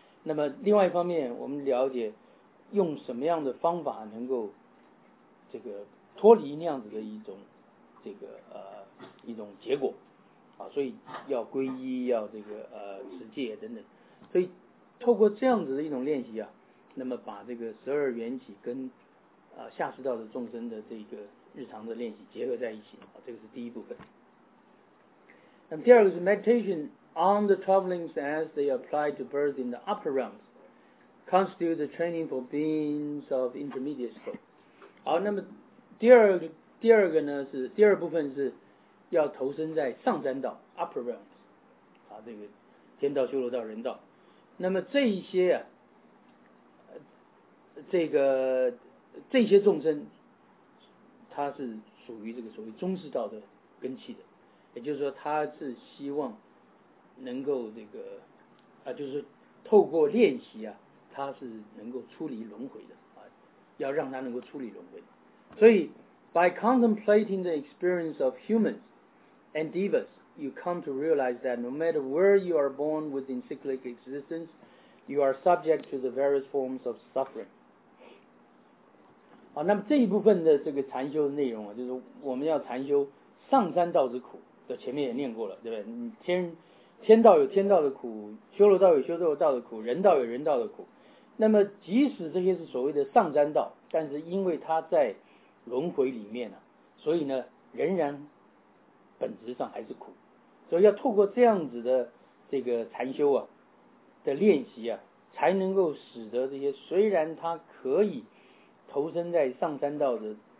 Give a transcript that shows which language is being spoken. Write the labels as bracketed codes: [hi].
[zh] 那么另外一方面，我们了解用什么样的方法能够这个脱离那样子的一种这个一种结果。啊、所以要皈依，要这个持戒等等，所以透过这样子的一种练习啊，那么把这个十二缘起跟下士道的众生的这个日常的练习结合在一起、啊、这个是第一部分。那么第二个是 [en] meditation on the travelings as they apply to birth in the upper realms constitute the training for beings of intermediate scope。 [zh] 好，那么第二部分是要投身在上三道 [en] upper realms， [zh] 啊，这个天道、修罗道、人道，那么这一些啊，这些众生，他是属于这个所谓中士道的根器的，也就是说他是希望能够这个啊，就是透过练习啊，他是能够出离轮回的啊，要让他能够出离轮回，所以 [en] by contemplating the experience of humans。 And devas, you come to realize that no matter where you are born within cyclic existence, you are subject to the various forms of suffering. [zh] 好，那么这一部分的这个禅修的内容啊，就是我们要禅修上三道之苦，这前面也念过了，对不对？天道有天道的苦，修罗道有修罗道的苦，人道有人道的苦。那么即使这些是所谓的上三道，但是因为它在轮回里面啊，所以呢，仍然本质上还是苦，所以要透过这样子的这个禅修啊的练习啊，才能够使得这些虽然他可以投身在上三道的